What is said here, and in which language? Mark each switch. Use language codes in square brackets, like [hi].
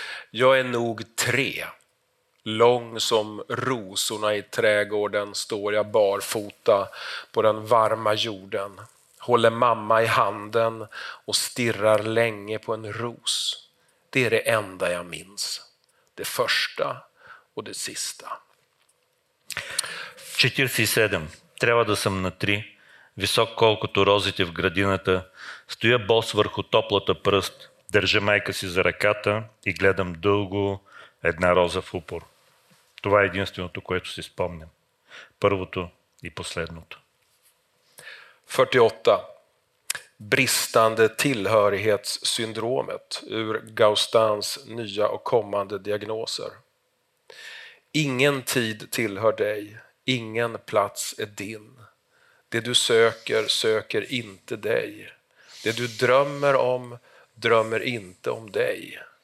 [sv] Jag är nog tre. Lång som rosorna i trädgården står jag barfota på den varma jorden. Håller mamma i handen och stirrar länge på en ros. Det är det enda jag minns. Det första och det sista. [bg] 47. Трябва да съм на три. Висок колкото розите в градината. Стоя бос върху топлата пръст. Държа майка си за ръката и гледам дълго една роза в упор. Това е единственото, което си спомням. Първото и последното. 48. [sv] Bristande tillhörighetssyndromet ur Gaustans nya och kommande diagnoser. Ingen tid tillhör dig. Ingen plats är din. Det du söker, söker inte dig. Det du drömmer inte om dig.